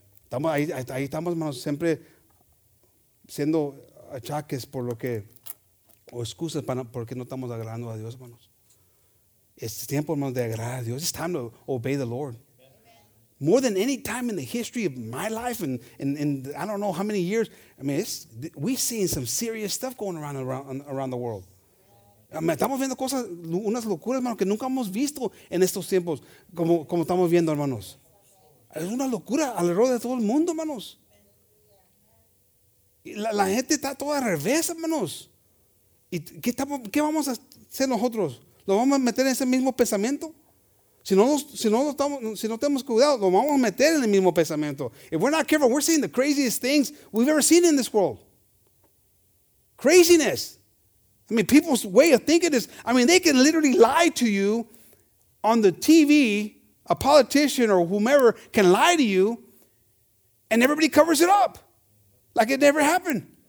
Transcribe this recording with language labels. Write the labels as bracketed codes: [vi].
[es] Ahí estamos, hermanos, siempre siendo achaques por lo que, o excusas para porque no estamos agradando a Dios, hermanos. Es tiempo, hermanos, de agradar a Dios. [en] It's time to obey the Lord. More than any time in the history of my life, and I don't know how many years. I mean, we've seen some serious stuff going around the world. [es] Estamos viendo cosas, unas locuras, hermanos, que nunca hemos visto en estos tiempos, como estamos viendo, hermanos. Es una locura alrededor de todo el mundo, hermanos. La gente está toda al revés, hermanos. ¿Y qué vamos a hacer nosotros? ¿Lo vamos a meter en ese mismo pensamiento? Si no tenemos cuidado, lo vamos a meter en el mismo pensamiento. [en] If we're not careful, we're seeing the craziest things we've ever seen in this world. Craziness. I mean, people's way of thinking is, I mean, they can literally lie to you on the TV. A politician or whomever can lie to you, and everybody covers it up like it never happened.